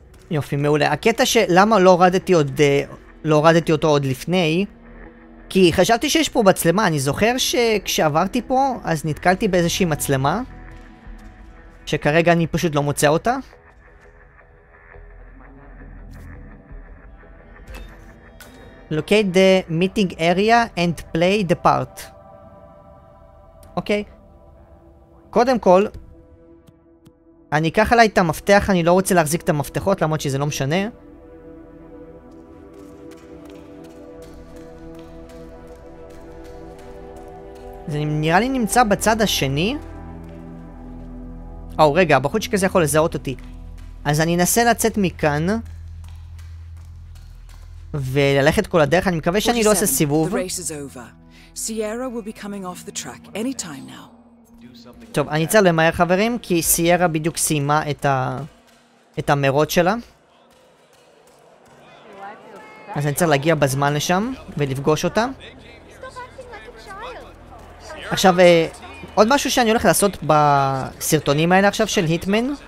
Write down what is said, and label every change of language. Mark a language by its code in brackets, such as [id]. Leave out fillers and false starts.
[he] יופי, מעולה. הקטע שלמה לא הורדתי עוד, לא הורדתי אותו עוד לפני, כי חשבתי שיש פה מצלמה. אני זוכר שכשעברתי פה אז נתקלתי באיזושהי מצלמה שכרגע אני פשוט לא מוצא אותה. [en] Locate the meeting area and play the part. [he] אוקיי, קודם כל אני אקח עליי את המפתח, אני לא רוצה להחזיק את המפתחות למרות שזה לא משנה. זה נראה לי נמצא בצד השני. או רגע, בחוץ כזה יכול לזהות אותי. אז אני אנסה לצאת מכאן וללכת כל הדרך, אני מקווה שאני לא עושה סיבוב. [en] Sierra will be coming off the track any time now. [he] טוב, אני צריך למהר חברים, כי סיירה בדיוק סיימה את את המרות שלה. אז אני צריך להגיע בזמן לשם ולפגוש אותה. עכשיו, עוד משהו שאני הולך לעשות בסרטונים האלה עכשיו של היטמן.